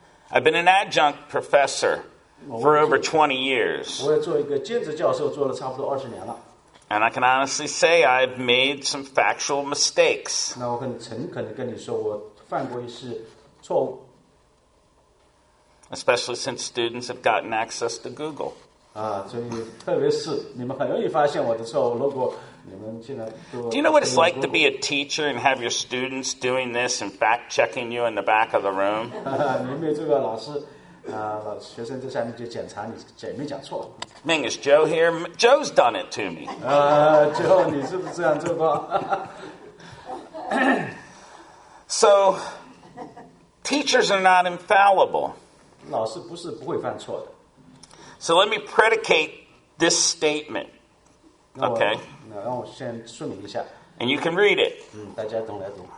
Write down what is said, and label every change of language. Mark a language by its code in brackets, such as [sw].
[en] I've been an adjunct professor for over 20 years. [zh] 我也做一个兼职教授，做了差不多20年了。 [en] And I can honestly say I've made some factual mistakes. [zh] 那我很诚恳地跟你说，我犯过一些错误。 [en] Especially since students have gotten access to Google. [zh] 所以特别是你们很容易发现我的错误，如果。 [en] Do you know what it's like to be a teacher and have your students doing this and fact checking you in the back of the room? [zh] 你们这个老师，学生在下面就检查你讲没讲错。 [en] Ming, is Joe here? Joe's done it to me. [zh] Joe, 你是不是这样做过？ [en] So, teachers are not infallible. [zh] 老师不是不会犯错的。 [en] So let me predicate this statement. Okay. [zh] 让我先说明一下。 [en] And you can read it. [zh] 大家懂来读。